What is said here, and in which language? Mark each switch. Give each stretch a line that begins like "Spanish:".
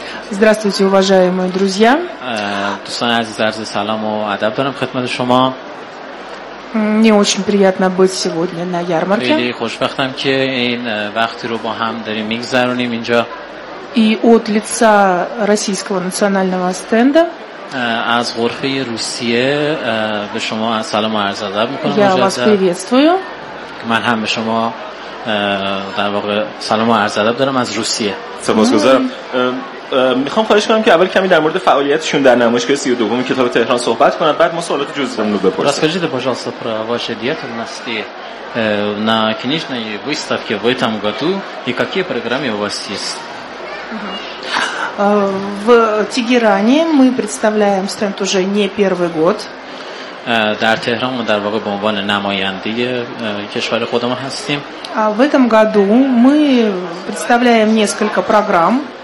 Russian: Здравствуйте, уважаемые друзья.
Persian: دوستان عزیز، عرض سلام و ادب دارم خدمت شما.
Russian: Мне очень приятно быть сегодня на ярмарке. Я
Persian: خوشبختم که این وقتی رو با هم داریم میگذرونیم اینجا.
Russian: И от лица российского национального стенда.
Persian: از غرفه روسیه به شما سلام و عرض ادب می‌کنم.
Russian: Я вас приветствую.
Persian: من هم به شما در واقع سلام و عرض ادب دارم از روسیه. سپاسگزارم. میخوام خواهش کنم که اول کمی در مورد فعالیتشون در نمایشگاه 32 کتاب تهران صحبت کنند، بعد ما سوالات جزئی‌مون رو بپرسیم.
Russian: Расскажите, пожалуйста, про ваши деятельности на выставке в этом году на книжной выставке в этом году и какие программы у вас есть? В Тегеране мы представляем стенд уже не первый год.
Persian: در تهران ما در واقع به عنوان نماینده کشور خودمون هستیم.
Russian: В этом году мы представляем несколько программ.